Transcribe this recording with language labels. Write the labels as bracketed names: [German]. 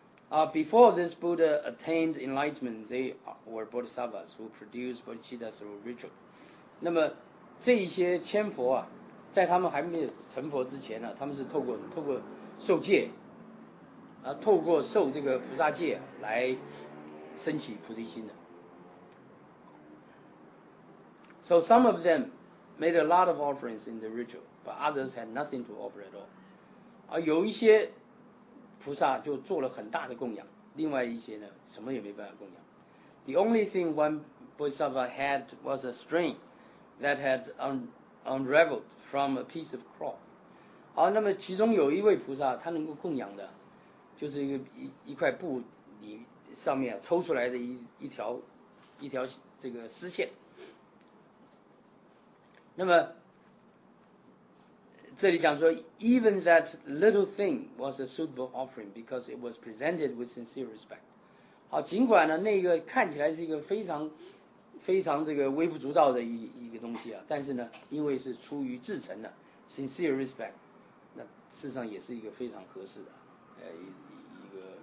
[English] Before this Buddha attained enlightenment, they were bodhisattvas who produced bodhicitta through ritual. [Chinese] 那么这一些千佛啊，在他们还没有成佛之前呢，啊，他们是透过受戒，啊，透过受这个菩萨戒，啊，来升起菩提心的。 [English] So some of them made a lot of offerings in the ritual, but others had nothing to offer at all. [Chinese] 而有一些菩萨就做了很大的供养，另外一些呢，什么也没办法供养。 [English] The only thing one bodhisattva had was a string that had unraveled from a piece of cloth. [Chinese] 好，那么其中有一位菩萨，他能够供养的，就是一块布里上面，啊，抽出来的一条这个丝线。那么这里讲说 [English] ，even that little thing was a suitable offering because it was presented with sincere respect. [Chinese] 好，尽管呢，那个看起来是一个非常、非常这个微不足道的一个东西啊，但是呢，因为是出于至诚的 [English] sincere respect， [Chinese] 那事实上也是一个非常合适的，一个